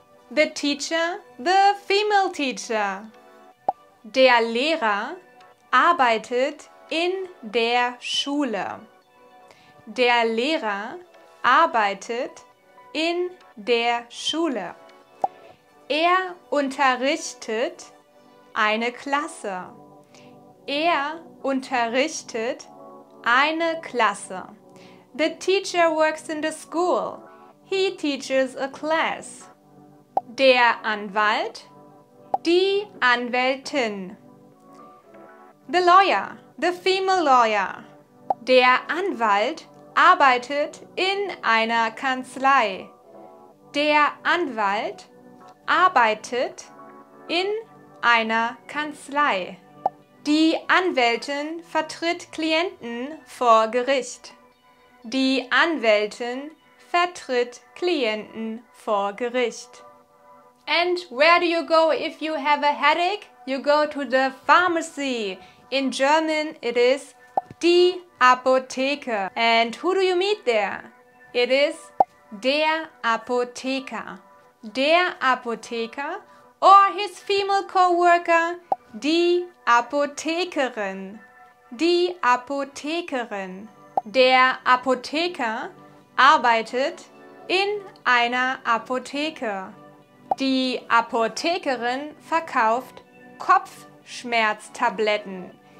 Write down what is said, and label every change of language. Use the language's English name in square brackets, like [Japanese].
[English] The teacher, the female teacher. [German] Der Lehrer arbeitet in der Schule. Der Lehrer arbeitet in der Schule. Er unterrichtet eine Klasse. Er unterrichtet eine Klasse. [English] The teacher works in the school. He teaches a class. [German] Der Anwalt, die Anwältin. [English] The lawyer, the female lawyer. [German] Der Anwalt arbeitet in einer Kanzlei. Der Anwalt arbeitet in einer Kanzlei. Die Anwältin vertritt Klienten vor Gericht. Die Anwältin vertritt Klienten vor Gericht. [English] And where do you go if you have a headache? You go to the pharmacy. In German it is die Apotheke. And who do you meet there? It is der Apotheker. Der Apotheker or his female co-worker, die Apothekerin. [German] Die Apothekerin. Der Apotheker arbeitet in einer Apotheke. Die Apothekerin verkauft Kopfschmerztabletten.